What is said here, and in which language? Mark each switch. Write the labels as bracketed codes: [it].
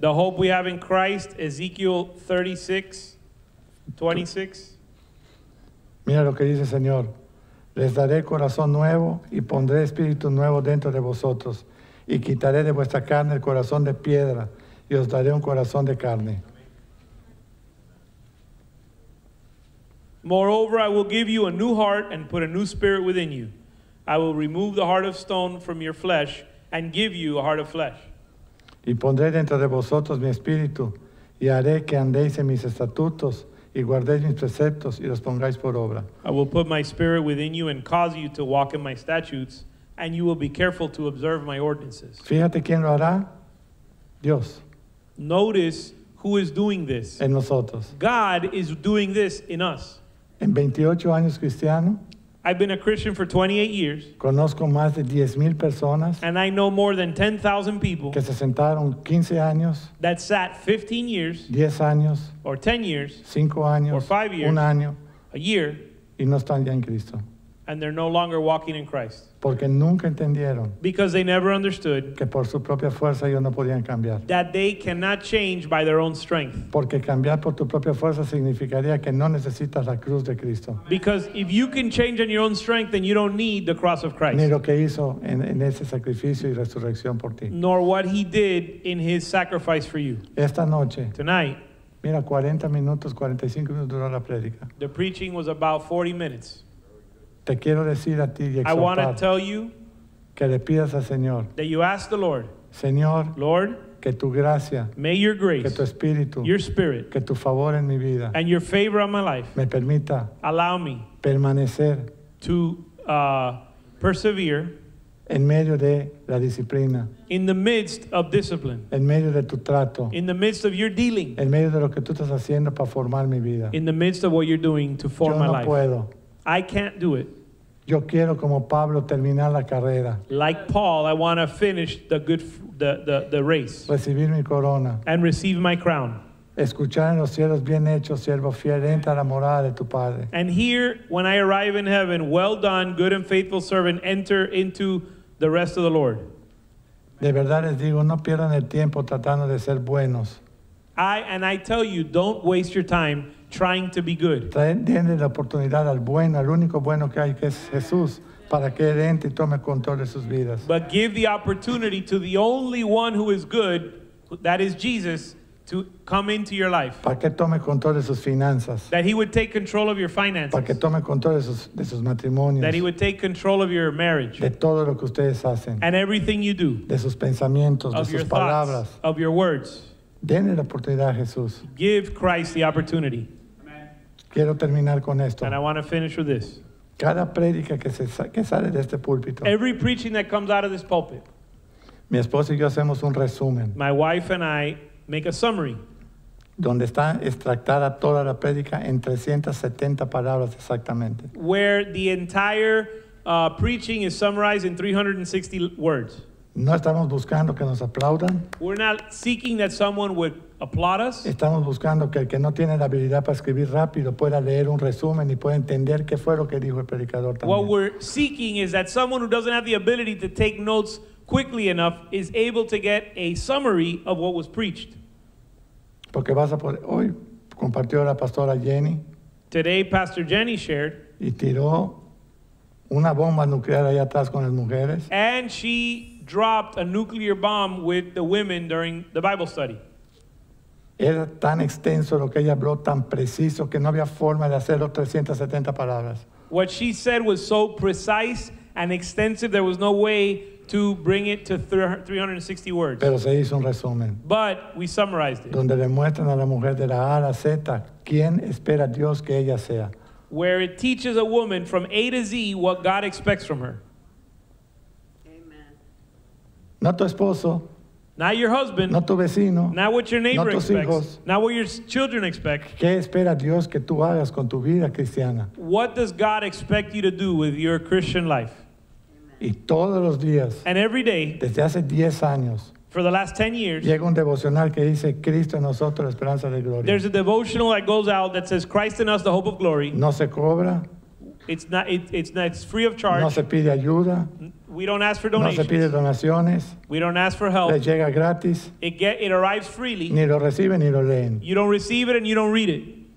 [en] The hope we have in Christ, Ezekiel 36:26. [es] Mira lo que dice el Señor. Les daré corazón nuevo y pondré espíritu nuevo dentro de vosotros. Y quitaré de vuestra carne el corazón de piedra y os daré un corazón de carne. [en] Moreover, I will give you a new heart and put a new spirit within you. I will remove the heart of stone from your flesh and give you a heart of flesh. [es] Y pondré dentro de vosotros mi espíritu y haré que andéis en mis estatutos y guardéis mis preceptos y los pongáis por obra. [en] I will put my spirit within you and cause you to walk in my statutes, and you will be careful to observe my ordinances. [es] Fíjate quién lo hará. Dios. [en] Notice who is doing this. [es] En nosotros. [en] God is doing this in us. [es] En 28 años cristiano. [en] I've been a Christian for 28 years. [es] Conozco más de 10,000 personas. [en] And I know more than 10,000 people. [es] Que se sentaron 15 años. [en] That sat 15 years. [es] 10 años. [en] Or 10 years. [es] 5 años. [en] Or 5 years. [es] Un año. [en] A year. [es] Y no están ya en Cristo. [en] And they're no longer walking in Christ. [es] Porque nunca entendieron. [en] Because they never understood. [es] Que por su propia fuerza ellos no podían cambiar. [en] That they cannot change by their own strength. [es] Porque cambiar por tu propia fuerza significaría que no necesitas la cruz de Cristo. [en] Because if you can change on your own strength, then you don't need the cross of Christ. [es] Ni lo que hizo en ese sacrificio y resurrección por ti. [en] Nor what he did in his sacrifice for you. [es] Esta noche. [en] Tonight. [es] Mira, 40 minutos, 45 minutos duró la prédica. [en] The preaching was about 40 minutes. [es] Te quiero decir a ti y exhortar, [en] I want to tell you [es] que le pidas al Señor, [en] that you ask the Lord, [es] Señor, [en] Lord, [es] que tu gracia, [en] may your grace, [es] que tu espíritu, [en] your spirit, [es] que tu favor en mi vida, [en] and your favor on my life, [es] me permita, [en] allow me, [es] permanecer, [en] to persevere, [es] en medio de la disciplina, [en] in the midst of discipline, [es] en medio de tu trato, [en] in the midst of your dealing, [es] en medio de lo que tú estás haciendo para formar mi vida, [en] in the midst of what you're doing to form [es] yo no [en] my life. [es] Puedo. [en] I can't do it. [es] Yo quiero como Pablo terminar la carrera. [en] Like Paul, I want to finish the race. [es] Recibir mi corona. [en] And receive my crown. [es] Escuchar en los cielos, bien hecho, siervo fiel, entra a la morada de tu Padre. [en] And here, when I arrive in heaven, well done, good and faithful servant, enter into the rest of the Lord. [es] De verdad les digo, no pierdan el tiempo tratando de ser buenos. [en] I tell you, don't waste your time trying to be good. [es] Denle la oportunidad al bueno, al único bueno que hay, que es Jesús, para que él entre y tome control de sus vidas. [en] But give the opportunity to the only one who is good, that is Jesus, to come into your life. [es] Para que tome control de sus finanzas. [en] That he would take control of your finances. [es] Para que tome control de sus matrimonios. [en] That he would take control of your marriage. [es] De todo lo que ustedes hacen. [en] And everything you do. [es] De sus pensamientos, de sus palabras. [en] Of your words. [es] Denle la oportunidad a Jesús. [en] Give Christ the opportunity. [es] Amen. Quiero terminar con esto. [en] And I want to finish with this. [es] Cada prédica que sale de este púlpito. [en] Every preaching that comes out of this pulpit. [es] Mi esposa y yo hacemos un resumen. [en] My wife and I make a summary. [es] Donde está extractada toda la prédica en 370 palabras exactamente. [en] Where the entire preaching is summarized in 360 words. [es] No estamos buscando que nos aplaudan. [en] We're not seeking that someone would applaud us. [es] Estamos buscando que el que no tiene la habilidad para escribir rápido pueda leer un resumen y pueda entender qué fue lo que dijo el predicador también. [en] What we're seeking is that someone who doesn't have the ability to take notes quickly enough is able to get a summary of what was preached. [es] Porque vas a poder, hoy compartió la pastora Jenny. [en] Today Pastor Jenny shared. [es] Y tiró una bomba nuclear allá atrás con las mujeres. [en] And she dropped a nuclear bomb with the women during the Bible study. [es] Era tan extenso lo que ella habló, tan preciso, que no había forma de hacerlo 370 palabras. [en] What she said was so precise and extensive, there was no way to bring it to 360 words. [es] Pero se hizo un resumen. [en] But we summarized it. [es] Donde demuestran a la mujer de la A a la Z quién espera Dios que ella sea. Where it teaches a woman from A to Z what God expects from her. Amen. No tu esposo. [en] Not your husband. [es] No tu vecino. [en] Not what your neighbor [es] no tus [en] expects. [es] Hijos. [en] Not what your children expect. [es] ¿Qué espera Dios que tú hagas con tu vida cristiana? [en] What does God expect you to do with your Christian life? [es] Y todos los días, [en] and every day, [es] desde hace 10 años, [en] for the last 10 years, [es] llega un devocional que dice, Cristo en nosotros, la esperanza de gloria. [en] There's a devotional that goes out that says, Christ in us, the hope of glory. [es] No se cobra. [en] It's free of charge. [es] No se pide ayuda. [en] We don't ask for donations. [es] No se pide donaciones. [en] We don't ask for help. [es] Le llega gratis. [en] It arrives freely. [es] Ni lo recibe ni lo leen. [en] You don't receive it and you don't read it.